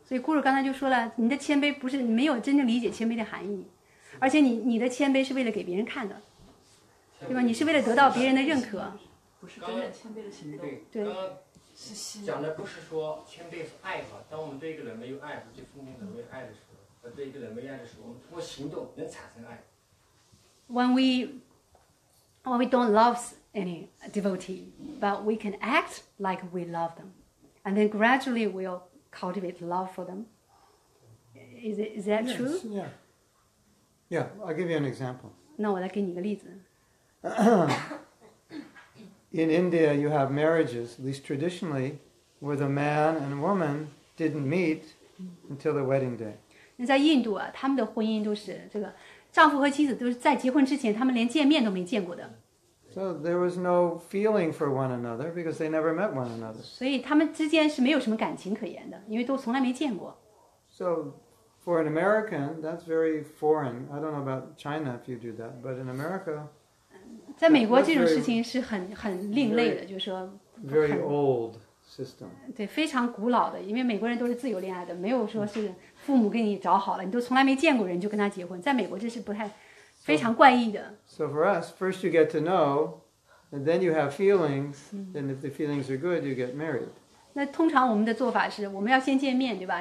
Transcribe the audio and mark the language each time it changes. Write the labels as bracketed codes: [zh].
[zh] 所以顾主刚才就说了，你的谦卑不是没有真正理解谦卑的含义，而且你的谦卑是为了给别人看的，对吧？你是为了得到别人的认可，不是真正谦卑的行动。对，是心。讲的不是说谦卑是爱吧？当我们对一个人没有爱，对父母没有爱的时候，对一个人没爱的时候，我们通过行动能产生爱。 [en] When we don't love any devotee, but we can act like we love them, and then gradually we'll. Cultivate love for them. Is that yes, true? Yeah. Yeah, I'll give you an example. [zh] 那我来给你一个例子。 [en] In India, you have marriages, at least traditionally, where the man and woman didn't meet until the wedding day. [zh] 那在印度啊，他们的婚姻都是这个，丈夫和妻子都是在结婚之前，他们连见面都没见过的。 [en] So there was no feeling for one another because they never met one another. So they were not in a relationship, because they had never met one another. So, For an American, that's very foreign. I don't know about China if you do that, but in America, [zh] 在美国这种事情是很很另类的，就是说 [en] very old system. [zh] 对，非常古老的，因为美国人都是自由恋爱的，没有说是父母给你找好了，你都从来没见过人就跟他结婚，在美国这是不太非常怪异的。 [en] So for us, first you get to know, and then you have feelings, and if the feelings are good, you get married. [zh] 那通常我们的做法是，我们要先见面，对吧？